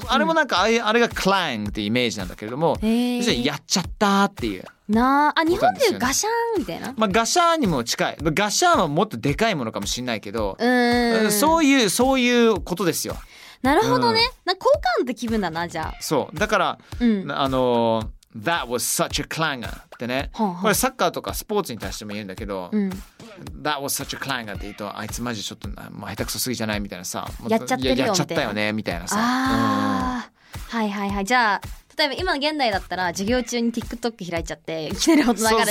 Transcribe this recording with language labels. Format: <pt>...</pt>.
<ja>あれもなんか、うん、あれがクランってイメージなんだけれども、そしてやっちゃったっていう。なあ、あ、日本でいうガシャーンみたいな。まあ、ガシャーンにも近い。ガシャーンはもっとでかいものかもしれないけど、そういうことですよ。なるほどね。うん、なんか好感度って気分だな、じゃあ。そう。だから、うん、</ja> <en>That was such a clanger</en> <ja>ってね、ほうほう、これサッカーとかスポーツに対しても言うんだけど、うん、</ja> <en>That was such a clanger</en> <ja>って言うと、あいつマジちょっと、まあ、下手くそすぎじゃないみたいなさ、やっちゃってるよ、やっちゃったよねみたいなさ、あ、はいはいはい、じゃあ例えば今の現代だったら授業中に TikTok 開いちゃっていきなり音流れて、</ja>